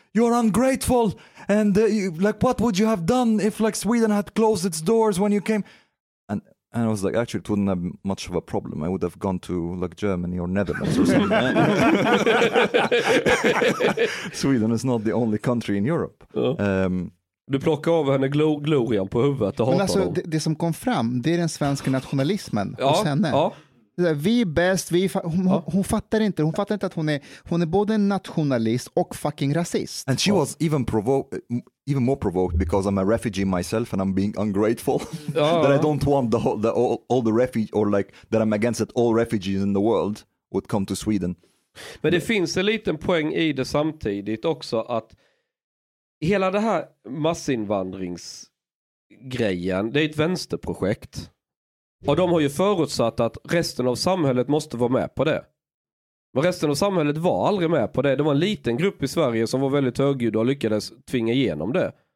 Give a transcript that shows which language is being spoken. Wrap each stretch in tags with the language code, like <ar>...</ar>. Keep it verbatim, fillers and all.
<en>You are ungrateful. And uh, you, like, what would you have done if like Sweden had closed its doors when you came? And and I was like, actually, it wouldn't have much of a problem. I would have gone to like Germany or Netherlands or something. Sweden is not the only country in Europe. Uh. Um,</en> <sv>Du plockar av henne glo- glorian på huvudet och hatar alltså, dem. Det, det som kom fram, det är den svenska nationalismen hos ja, henne. Ja. Vi är bäst, vi fa- hon, ja. hon fattar inte, hon fattar inte att hon är, hon är både nationalist och fucking rasist.</sv> <en>And she was even provoked, even more provoked because I'm a refugee myself and I'm being ungrateful ja. that I don't want the whole, the, all, all the refugees or like that I'm against that all refugees in the world would come to Sweden.</en> <sv>Men det mm. finns en liten poäng i det samtidigt också, att hela det här massinvandringsgrejen, det är ett vänsterprojekt. Och de har ju förutsatt att resten av samhället måste vara med på det. Men resten av samhället var aldrig med på det. Det var en liten grupp i Sverige som var väldigt högljudda och lyckades tvinga igenom det.</sv>